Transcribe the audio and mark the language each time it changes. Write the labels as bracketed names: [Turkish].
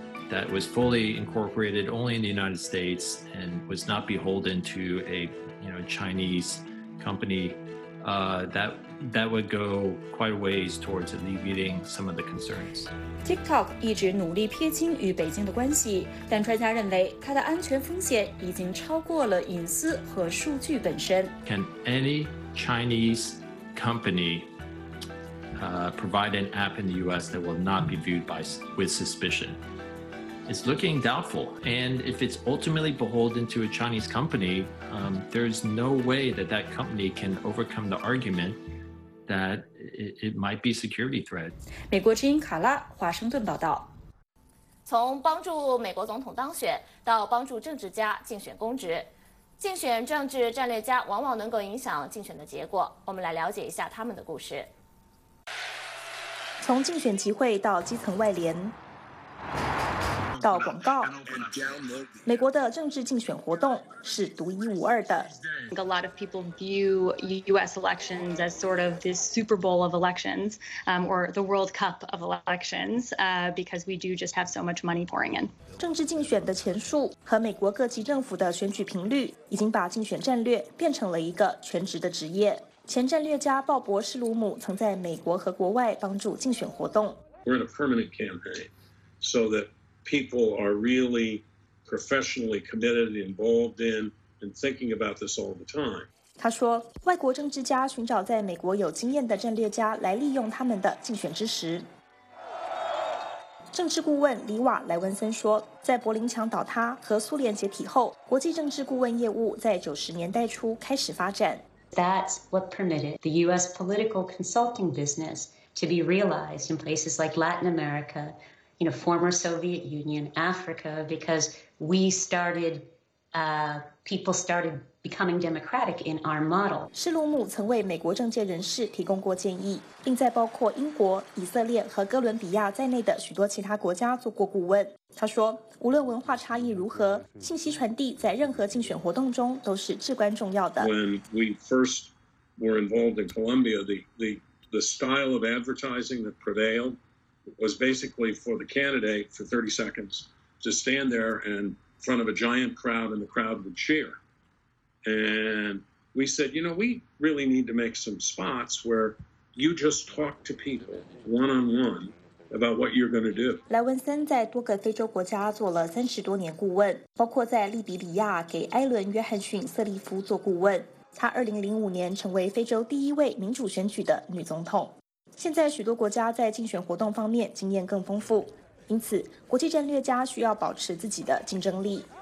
[English] that was fully incorporated only in the United States and was not beholden to a Chinese company, that would go quite a ways towards alleviating some of the concerns. [Chinese] TikTok 一直努力撇清与北京的关系，但专家认为它的安全风险已经超过了隐私和数据本身。 [English] Can any Chinese company provide an app in the U.S. that will not be viewed with suspicion? It's looking doubtful. And if it's ultimately beholden to a Chinese company, there's no way that company can overcome the argument. That it might be security threat. [Chinese] 美国之音卡拉，华盛顿报道。从帮助美国总统当选到帮助政治家竞选公职，竞选政治战略家往往能够影响竞选的结果。我们来了解一下他们的故事。从竞选集会到基层外联，到广告，美国的政治竞选活动是独一无二的。 [English] A lot of people view U.S. elections as sort of this Super Bowl of elections, or the World Cup of elections, because we do just have so much money pouring in. [Chinese] 政治竞选的钱数和美国各级政府的选举频率，已经把竞选战略变成了一个全职的职业。前战略家鲍勃·施鲁姆曾在美国和国外帮助竞选活动。 [English] We're in a permanent campaign, so that people are really professionally committed and involved in. And thinking about this all the time. [Chinese] 他说，外国政治家寻找在美国有经验的战略家来利用他们的竞选知识。政治顾问里瓦莱文森说，在柏林墙倒塌和苏联解体后，国际政治顾问业务在90年代初开始发展。 [English] That's what permitted the U.S. political consulting business to be realized in places like Latin America, you know, former Soviet Union, Africa, because we started, people started becoming democratic in our model. [Chinese] 施鲁姆曾为美国政界人士提供过建议，并在包括英国、以色列和哥伦比亚在内的许多其他国家做过顾问。他说，无论文化差异如何，信息传递在任何竞选活动中都是至关重要的。 [English] When we first were involved in Colombia, the style of advertising that prevailed was basically for the candidate for 30 seconds to stand there in front of a giant crowd and the crowd would cheer. And we said, you know, we really need to make some spots where you just talk to people one-on-one. About what you're going to do. [Chinese] 莱文森在多个非洲国家做了30多年顾问，包括在利比里亚给埃伦·约翰逊·瑟利夫做顾问。他2005年成为非洲第一位民主选举的女总统。现在许多国家在竞选活动方面经验更丰富，因此国际战略家需要保持自己的竞争力。